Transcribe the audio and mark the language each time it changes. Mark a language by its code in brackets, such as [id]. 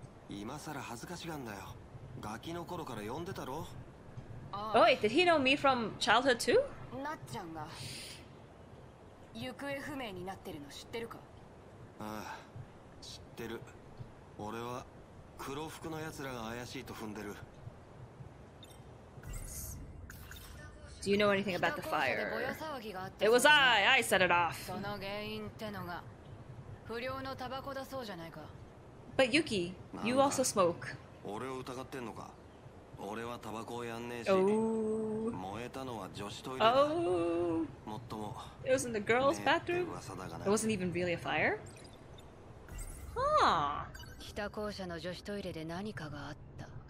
[ja] 今更恥ずかしがんだよ。ガキの頃から呼んでたろ。 [en] Oh, wait, did he know me from childhood too? [ja] Natsuya が行方不明になってるの知ってるか？ああ、知ってる。俺は黒服の奴らが怪しいと踏んでる。 [en] Do you know anything about the fire? It was I set it off. [ja] その原因ってのが不良のタバコだそうじゃないか。 [en] But Yuki, you also smoke. [ja] 俺を疑ってんのか。俺はタバコをやんねえし。燃えたのは女子トイレだ。もっとも。 [en] It was in the girls' bathroom. It wasn't even really a fire. Huh? [ja] 北校舎の女子トイレで何かがあった。